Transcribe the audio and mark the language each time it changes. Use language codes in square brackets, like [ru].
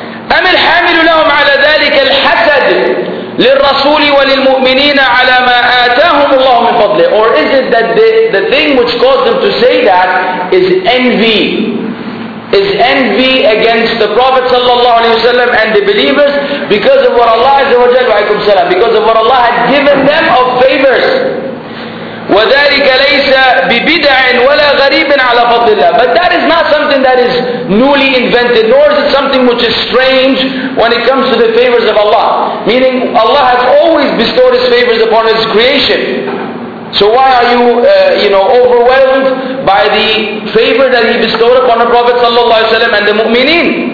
[ar] أَمِ الْحَامِلُ لَهُمْ عَلَى ذَلِكَ الْحَسَدِ لِلرَّسُولِ وَلِلْمُؤْمِنِينَ عَلَى مَا آتَاهُمُ اللَّهُ مِنْ فَضْلِهِ. [en] Or is it that the thing which caused them to say that is envy? Is envy against the Prophet sallallahu alaihi wasallam and the believers because of what Allah azza wa jalla, because of what Allah had given them of favors? [ar] وذلك ليس ببدع ولا غريب على فضل الله. [en] But that is not something that is newly invented, nor is it something which is strange when it comes to the favors of Allah. Meaning, Allah has always bestowed His favors upon His creation. So why are you, overwhelmed by the favor that He bestowed upon the Prophet [ar] صلى الله عليه وسلم [en] and the mu'mineen?